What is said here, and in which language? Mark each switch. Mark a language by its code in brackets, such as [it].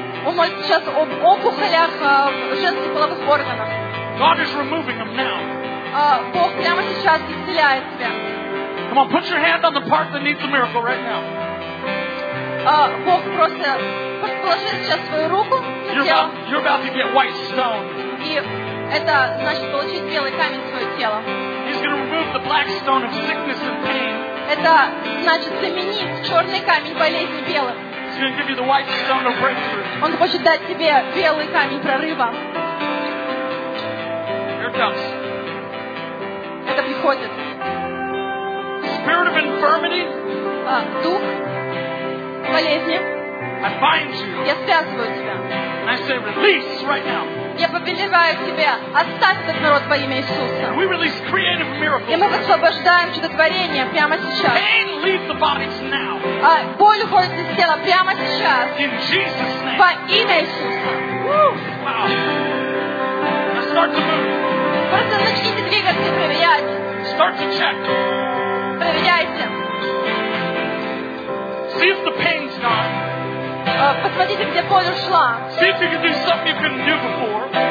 [ru] Мы сейчас об опухолях в женских половых органах. [en] God is removing them now. [ru] Бог прямо сейчас исцеляет тебя. [en] Come on, put your hand on the part that needs a miracle right now. [ru] Бог просто положи сейчас свою руку. [en] You're about to get white stone. [ru] И это значит получить белый камень в свое тело. [en] He's going to remove the black stone of sickness and pain. [ru] Это значит заменить черный камень болезни белым. [en] He's going to give you the white stone of breakthrough. [ru] Он хочет дать тебе белый камень прорыва. [en] Here it comes. [ru] Это приходит. [en] Spirit of infirmity. [ru] Дух болезни. [en] I bind you. [ru] Я связываю тебя. [en] And I say release right now. [ru] Я повелеваю тебе оставь этот народ во имя Иисуса. [en] We release creative miracles. [ru] И мы высвобождаем чудотворение прямо сейчас. [en] Pain leaves the bodies now. [ru] Боль уходит из тела прямо сейчас. [en] In Jesus' name. [ru] Во имя Иисуса. [en] Wow. Now start to move. [ru] Просто начните двигаться и проверять. [en] Start to check. [ru] Проверяйте. [en] See if the pain's gone. [ru] Посмотрите, где боль ушла. [en] See if you can do something you couldn't do before.